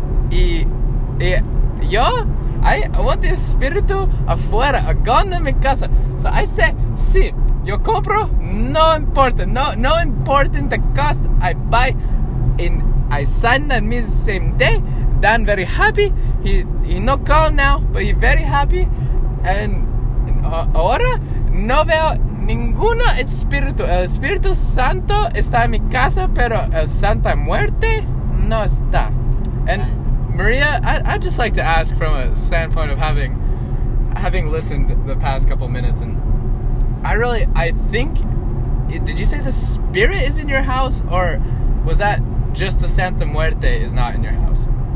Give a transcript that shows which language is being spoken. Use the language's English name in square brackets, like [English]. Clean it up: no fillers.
[English] I want the espíritu afuera, a gun in mi casa. [Spanish] So I say, sí, yo compro, no importa. [English] No importa the cost, I buy. And I sign that me the same day. Dan very happy. He no call now, but he very happy. [Spanish] And ahora no veo ninguno espíritu. El espíritu santo está en mi casa, pero el santa muerte no está. [English] And... Maria, I'd just like to ask from a standpoint of having listened the past couple minutes, and I think, did you say the spirit is in your house, or was that just the Santa Muerte is not in your house?